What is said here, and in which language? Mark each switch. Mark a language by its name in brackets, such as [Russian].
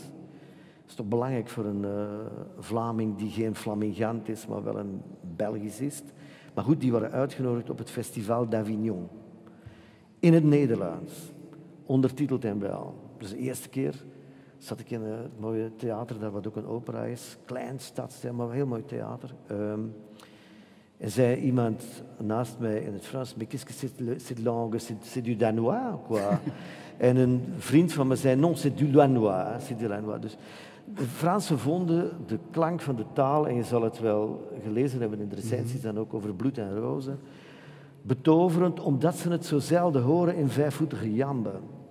[Dutch] Dat is toch belangrijk voor een Vlaming die geen Flamingant is, maar wel een Belgicist. Maar goed, die waren uitgenodigd op het Festival d'Avignon. In het Nederlands. Ondertiteld en wel. Dus de eerste keer zat ik in het mooie theater, daar wat ook een opera is. Klein stadstheater, maar een heel mooi theater. En zei iemand naast mij in het Frans, [French] mais qu'est-ce que cette langue, c'est du danois, quoi? [Dutch] En een vriend van me zei, [French] non, c'est du danois. [Dutch] Dus de Fransen vonden de klank van de taal, en je zal het wel gelezen hebben in de recensies, dan ook over bloed en rozen, betoverend, omdat ze het zo zelden horen in 5-voetige jamben.